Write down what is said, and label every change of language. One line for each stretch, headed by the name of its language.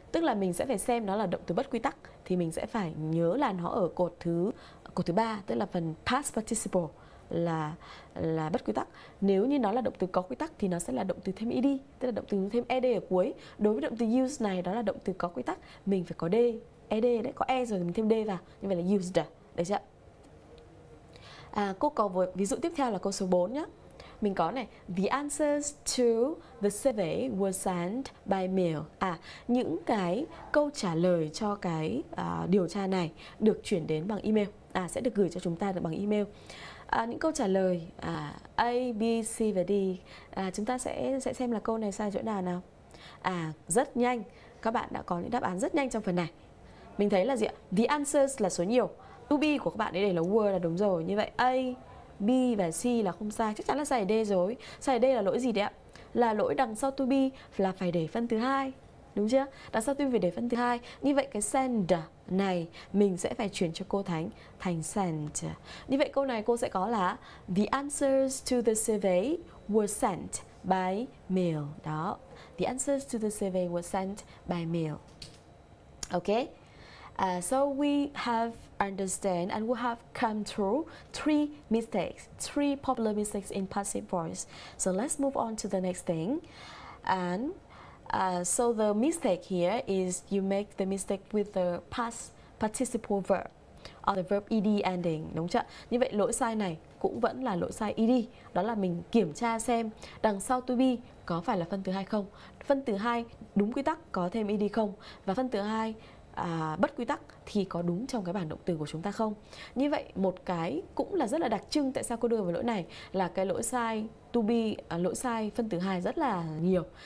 Vietnamese: Tức là mình sẽ phải xem nó là động từ bất quy tắc thì mình sẽ phải nhớ là nó ở cột thứ 3, tức là phần past participle là bất quy tắc. Nếu như nó là động từ có quy tắc thì nó sẽ là động từ thêm ed, tức là động từ thêm ed ở cuối. Đối với động từ use này đó là động từ có quy tắc, mình phải có d, ed đấy, có e rồi mình thêm d vào. Như vậy là used. Đấy chứ ạ. Cô có ví dụ tiếp theo là câu số 4 nhé. Mình có này,
English: the answers to the survey were sent by mail.
Vietnamese: Những cái câu trả lời cho cái điều tra này được chuyển đến bằng email. Sẽ được gửi cho chúng ta bằng email. Những câu trả lời A, B, C và D. Chúng ta sẽ xem là câu này sai chỗ nào. Rất nhanh. Các bạn đã có những đáp án rất nhanh trong phần này. Mình thấy là gì ạ? The answers là số nhiều. To be của các bạn ấy để là were là đúng rồi. Như vậy A, B và C là không sai, chắc chắn là sai ở D rồi. Sai ở D là lỗi gì đấy ạ? Là lỗi đằng sau to be là phải để phân từ 2, đúng chưa? Đằng sau to be phải để phân từ 2. Như vậy cái send này mình sẽ phải chuyển cho cô Thánh thành sent. Như vậy câu này cô sẽ có là
English: the answers to the survey were sent by mail.
Vietnamese: Đó,
English: the answers to the survey were sent by mail. Ok. So we have understand and we have come through three popular mistakes in passive voice. So let's move on to the next thing. And so the mistake here is you make the mistake with the past participle verb or the verb ed ending,
Vietnamese: đúng chưa? Như vậy lỗi sai này cũng vẫn là lỗi sai ed, đó là mình kiểm tra xem đằng sau to be có phải là phân từ hai không, phân từ hai đúng quy tắc có thêm ed không, và phân từ hai bất quy tắc thì có đúng trong cái bảng động từ của chúng ta không. Như vậy một cái cũng là rất là đặc trưng tại sao cô đưa vào lỗi này là cái lỗi sai to be, lỗi sai phân từ hai rất là nhiều.